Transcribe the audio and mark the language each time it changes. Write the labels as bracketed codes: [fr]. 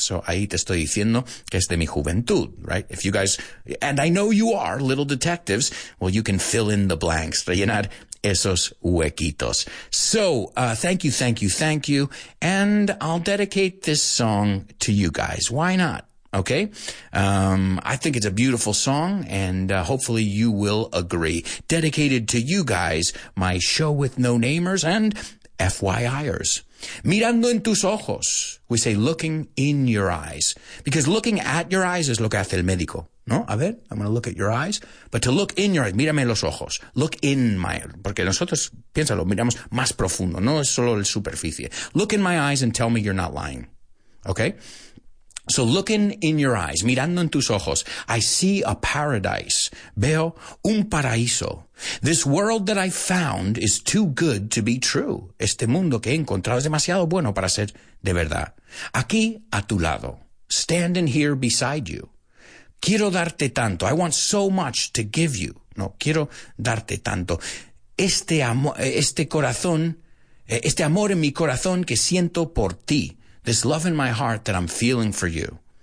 [es] So ahí te estoy diciendo que es de mi juventud, right? [en] If you guys, and I know you are little detectives, well, you can fill in the blanks. [es] Rellenar esos huequitos. [en] So thank you, thank you, thank you. And I'll dedicate this song to you guys. Why not? Okay, I think it's a beautiful song, and hopefully you will agree. Dedicated to you guys, my show with no namers and FYIers. [es] Mirando en tus ojos, [en] we say looking in your eyes, because looking at your eyes is [es] lo que hace el médico, ¿no? A ver, [en] I'm going to look at your eyes, but to look in your eyes, [es] mírame los ojos, [en] look in my, [es] porque nosotros, piénsalo, miramos más profundo, no es solo la superficie. [en] Look in my eyes and tell me you're not lying, okay? So looking in your eyes, [es] mirando en tus ojos, [en] I see a paradise. [es] Veo un paraíso. [en] This world that I found is too good to be true. [es] Este mundo que he encontrado es demasiado bueno para ser de verdad. Aquí a tu lado, [en] standing here beside you. [es] Quiero darte tanto. [en] I want so much to give you. [es] No, quiero darte tanto. Este amor en mi corazón que siento por ti. [en] This love in my heart that I'm feeling for you.